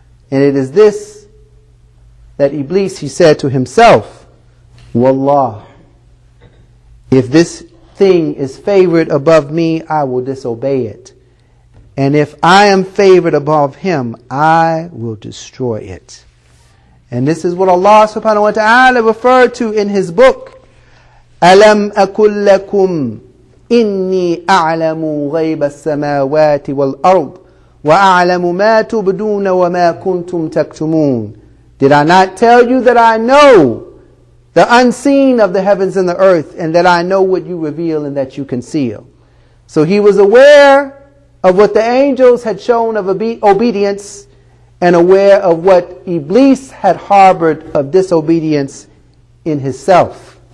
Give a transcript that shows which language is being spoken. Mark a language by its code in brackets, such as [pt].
[en] And it is this that Iblis, he said to himself, wallah, if this thing is favored above me, I will disobey it. And if I am favored above him, I will destroy it. And this is what Allah subhanahu wa ta'ala referred to in his book, [ar] أَلَمْ أَكُلْ لَكُمْ إِنِّي أَعْلَمُ غَيْبَ السَّمَاوَاتِ وَالْأَرْضِ وَأَعْلَمُ مَا تُبْدُونَ وَمَا كُنْتُمْ تَكْتُمُونَ. [en] Did I not tell you that I know the unseen of the heavens and the earth, and that I know what you reveal and that you conceal? So he was aware of what the angels had shown of obedience, and aware of what Iblis had harbored of disobedience in himself.